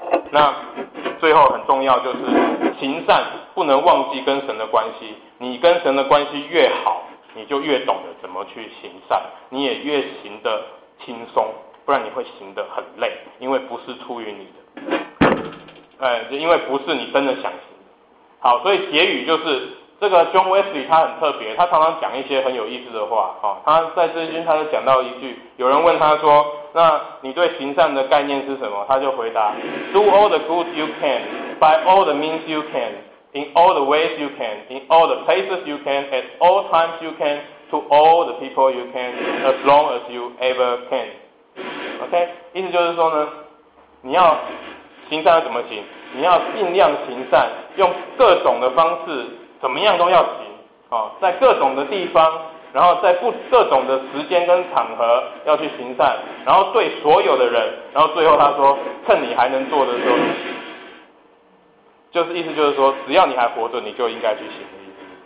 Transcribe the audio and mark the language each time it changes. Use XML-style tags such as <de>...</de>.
<zh>那最后很重要就是，行善不能忘记跟神的关系，你跟神的关系越好，你就越懂得怎么去行善，你也越行得轻松，不然你会行得很累，因为不是出于你的，因为不是你真的想行。好，所以结语就是这个 John Wesley 他很特别，他常常讲一些很有意思的话。他在这边他就讲到一句，有人问他说，那你对行善的概念是什么？</zh> <en>他就回答 Do all the good you can, by all the means you can, in all the ways you can, in all the places you can, at all times you can, to all the people you can, as long as you ever can.</en> <zh>OK, 意思就是说呢，你要行善要怎么行？你要尽量行善，用各种的方式，怎么样都要行，在各种的地方，然后在各种的时间跟场合要去行善，然后对所有的人，然后最后他说，趁你还能做的时候就行，就是意思就是说，只要你还活着，你就应该去行的意思。</zh>